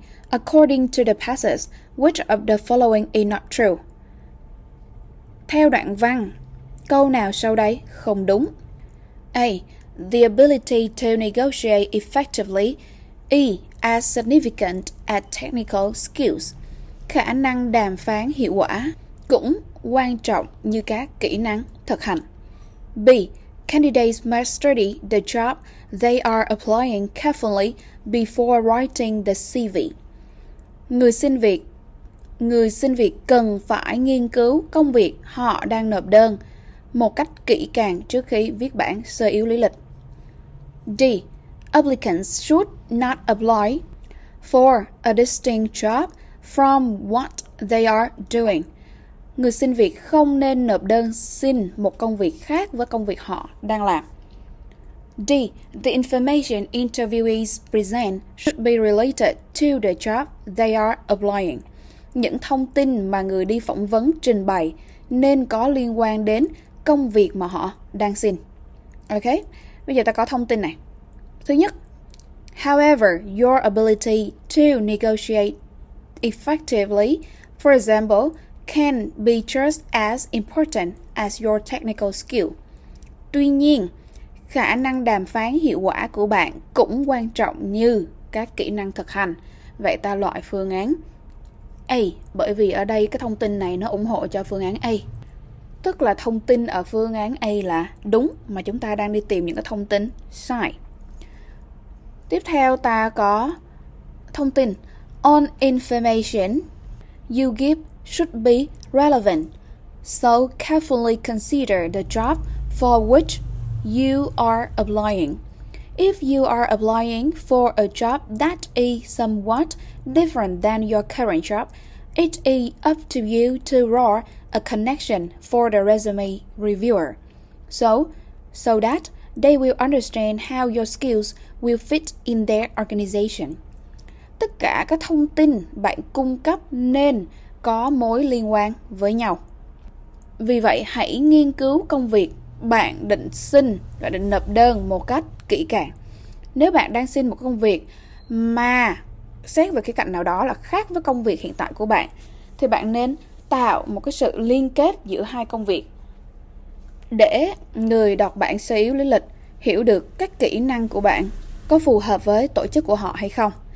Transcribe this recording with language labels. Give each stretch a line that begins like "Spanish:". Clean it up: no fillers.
English: According to the passage, which of the following is not true?
Vietnamese: Theo đoạn văn, câu nào sau đây không đúng? A.
English: The ability to negotiate effectively is as significant as technical skills.
Vietnamese: Khả năng đàm phán hiệu quả cũng quan trọng như các kỹ năng thực hành.
English: B. Candidates must study the job they are applying carefully before writing the CV.
Vietnamese: Người xin việc cần phải nghiên cứu công việc họ đang nộp đơn một cách kỹ càng trước khi viết bản sơ yếu lý lịch.
English: D. Applicants should not apply for a distinct job from what they are doing.
Vietnamese: Người xin việc không nên nộp đơn xin một công việc khác với công việc họ đang làm.
English: D. The information interviewees present should be related to the job they are applying.
Vietnamese: Những thông tin mà người đi phỏng vấn trình bày nên có liên quan đến công việc mà họ đang xin. Ok, bây giờ ta có thông tin này. Thứ nhất,
English: however, your ability to negotiate effectively, for example, can be just as important as your technical skill.
Vietnamese: Tuy nhiên, khả năng đàm phán hiệu quả của bạn cũng quan trọng như các kỹ năng thực hành. Vậy ta loại phương án A, bởi vì ở đây cái thông tin này nó ủng hộ cho phương án A. Tức là thông tin ở phương án A là đúng mà chúng ta đang đi tìm những cái thông tin sai. Tiếp theo ta có thông tin
English: on information you give should be relevant, so carefully consider the job for which you are applying. If you are applying for a job that is somewhat different than your current job, it is up to you to draw a connection for the resume reviewer, so that they will understand how your skills will fit in their organization.
Vietnamese: Tất cả các thông tin bạn cung cấp nên có mối liên quan với nhau. Vì vậy, hãy nghiên cứu công việc bạn định xin và định nộp đơn một cách kỹ càng. Nếu bạn đang xin một công việc mà xét về cái cạnh nào đó là khác với công việc hiện tại của bạn, thì bạn nên tạo một cái sự liên kết giữa hai công việc để người đọc bản sơ yếu lý lịch hiểu được các kỹ năng của bạn có phù hợp với tổ chức của họ hay không.